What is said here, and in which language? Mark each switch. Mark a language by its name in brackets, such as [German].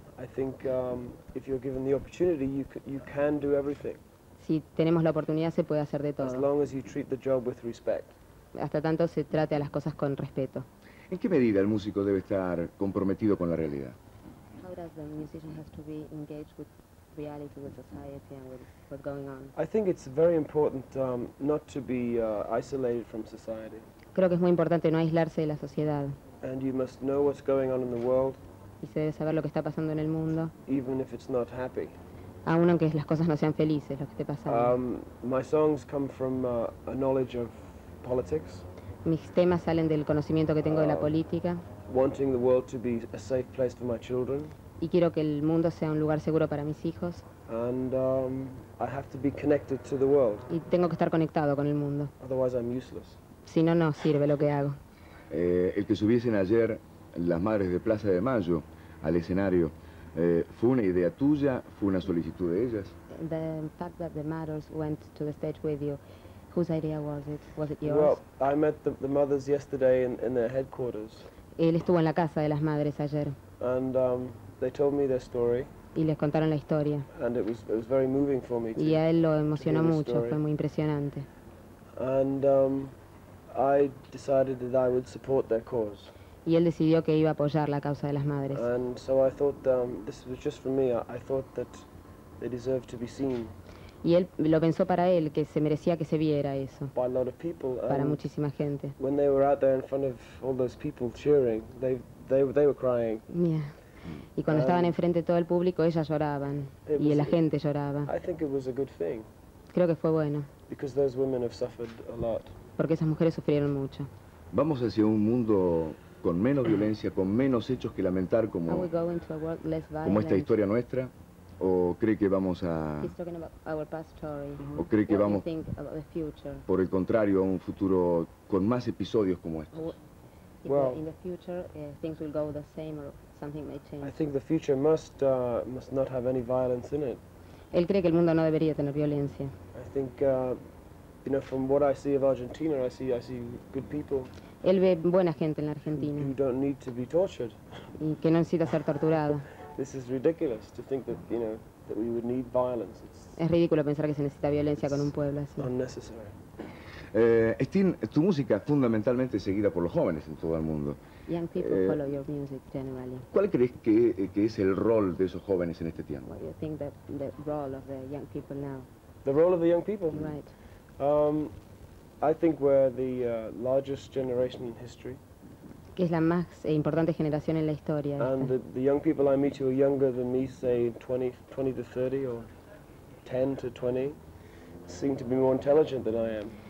[English] I think if you're given the opportunity, you can do everything. [Spanish] Si tenemos la oportunidad, se puede hacer de todo. [English] As long as you treat the job with respect. [Spanish] Hasta tanto se trate a las cosas con respeto. ¿En qué medida el músico debe estar comprometido con la realidad? [English] How does the musician have to be engaged with reality, with society, and with what's going on? I think it's very important not to be isolated from society. [Spanish] Creo que es muy importante no aislarse de la sociedad. [English] And you must know what's going on in the world. [Spanish] Y se debe saber lo que está pasando en el mundo. [English] Even if it's not happy. [Spanish] Aun aunque las cosas no sean felices, lo que esté pasando. [English] My songs come from a knowledge of politics. [Spanish] Mis temas salen del conocimiento que tengo de la política. [English] Wanting the world to be a safe place for my children. [Spanish] Y quiero que el mundo sea un lugar seguro para mis hijos. [English] And I have to be connected to the world. [Spanish] Y tengo que estar conectado con el mundo. [English] Otherwise I'm useless. [Spanish] Si no, no sirve lo que hago. El que subiesen ayer las madres de Plaza de Mayo al escenario, ¿fue una idea tuya? ¿Fue una solicitud de ellas? [English] The fact that the mothers went to the stage with you, whose idea was it? Was it yours? Well, I met the mothers yesterday in their headquarters. [Spanish] Él estuvo en la casa de las madres ayer. [English] And they told me their story. [Spanish] Y les contaron la historia. [English] And it was very moving for me. [Spanish] Y a él lo emocionó mucho, fue muy impresionante. [English] And I decided that I would support their cause. [Spanish] Y él decidió que iba a apoyar la causa de las madres. [English] And so I thought this was just for me. I thought that they deserved to be seen. [Spanish] Y él lo pensó para él, que se merecía que se viera eso. [English] By a lot of people, [Spanish] para muchísima gente. [English] When they were out there in front of all those people cheering, they were crying. Yeah. [Spanish] Y cuando estaban enfrente de todo el público, ellas lloraban. Y la gente lloraba. [English] I think it was a good thing. [Spanish] Creo que fue bueno. [English] Because those women have suffered a lot. [Spanish] Porque esas mujeres sufrieron mucho. Vamos hacia un mundo con menos violencia, con menos hechos que lamentar, como, como esta historia nuestra, o cree que vamos a... ¿O cree que vamos, por el contrario, a un futuro con más episodios como estos? [English] Well, in the future, things will go the same or something may change. I think the future must not have any violence in it. [Spanish] Él cree que el mundo no debería tener violencia. [English] I think, you know, from what I see of Argentina, I see good people. [Spanish] Él ve buena gente en la Argentina. [English] You don't need to be tortured. [Spanish] Y que no necesita ser torturado. [English] This is ridiculous to think that, you know, that we would need violence. [Spanish] Es ridículo pensar que se necesita violencia con un pueblo así. [English] Unnecessary. [Spanish] Steen, tu música fundamentalmente es seguida por los jóvenes en todo el mundo. [English] Young people follow your music generally. [Spanish] ¿Cuál crees que es el rol de esos jóvenes en este tiempo? [English] What do you think the role of the young people now? The role of the young people. Right. I think we're the largest generation in history. [Spanish] Que es la más importante generación en la historia. [English] And the young people I meet who are younger than me, say 20 to 30 or 10 to 20, seem to be more intelligent than I am.